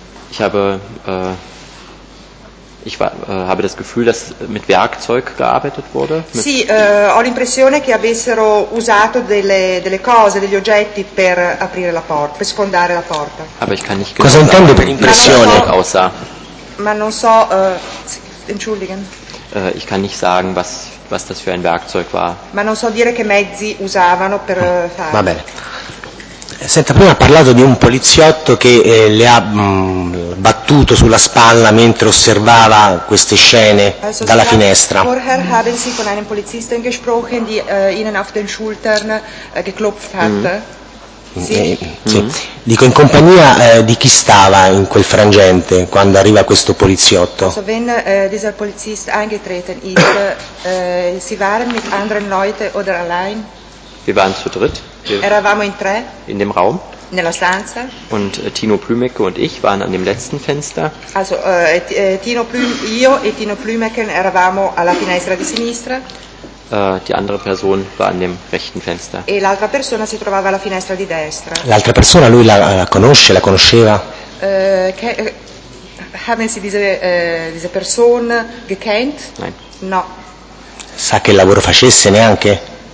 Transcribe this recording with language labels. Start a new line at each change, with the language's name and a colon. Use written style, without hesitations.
German: Ich habe ich war, habe das Gefühl, dass mit Werkzeug gearbeitet wurde.
Italian: Sì, ho l'impressione che avessero usato delle cose, degli oggetti per aprire la porta, per sfondare la porta.
German: Aber ich kann nicht genau.
Italian: Cosa intende per impressione? Ma non so,
German: entschuldigen. Ich kann nicht sagen, was das für ein Werkzeug war.
Italian: Ma non so dire che mezzi usavano per fare. Va bene. Senta, prima ha parlato di un poliziotto che le ha battuto sulla spalla mentre osservava queste scene
German: also,
Italian: dalla finestra.
German: Vorher haben Sie von einem Polizisten gesprochen, die Ihnen auf den Schultern geklopft hat. Mm.
Italian: Sì. Dico in compagnia di chi stava in quel frangente quando arriva questo poliziotto.
German: Also wenn dieser Polizist eingetreten ist, Sie waren mit anderen Leuten oder allein? Wir waren zu dritt.
Italian: Eravamo in tre.
German: In dem Raum.
Italian: Nella stanza.
German: Und Tino Plümecke und ich waren an dem letzten Fenster.
Italian: Also io e Tino Plümecke eravamo alla finestra di sinistra.
German: Die andere Person war an dem rechten Fenster.
Italian: E l'altra persona si trovava alla finestra di destra. L'altra persona lui la conosce, la conosceva?
German: Haben Sie diese Person gekannt? Nein.
Italian: No. Sa che lavoro facesse neanche?